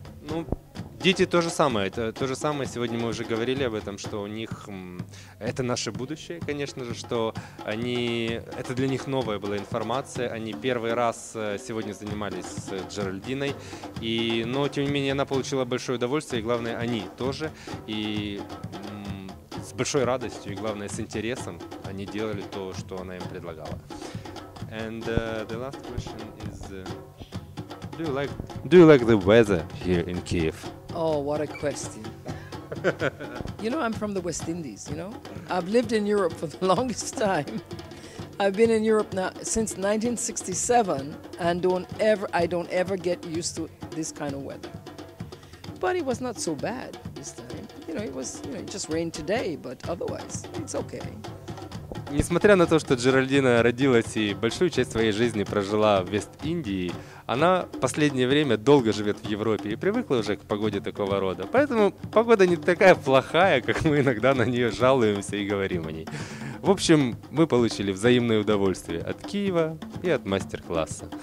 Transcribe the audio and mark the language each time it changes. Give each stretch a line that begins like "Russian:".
Russian: Ну, дети то же самое, это то же самое. Сегодня мы уже говорили об этом, что у них это наше будущее, конечно же, что они это для них новая была информация. Они первый раз сегодня занимались с Джеральдиной, и но тем не менее она получила большое удовольствие, и главное они тоже и с большой радостью и главное с интересом. Они делали то, что она им предлагала.
English: And the last question is, do you like the weather here in Kiev? Oh, what a question! You know, I'm from the West Indies. You know, I've lived in Europe for the longest time. I've been in Europe now since 1967, and I don't ever get used to this kind of weather. But it was not so bad this time. You know, it was, you know, it just rained today, but otherwise, it's okay.
Russian: Несмотря на то, что Джеральдина родилась и большую часть своей жизни прожила в Вест-Индии, она в последнее время долго живет в Европе и привыкла уже к погоде такого рода. Поэтому погода не такая плохая, как мы иногда на нее жалуемся и говорим о ней. В общем, мы получили взаимное удовольствие от Киева и от мастер-класса.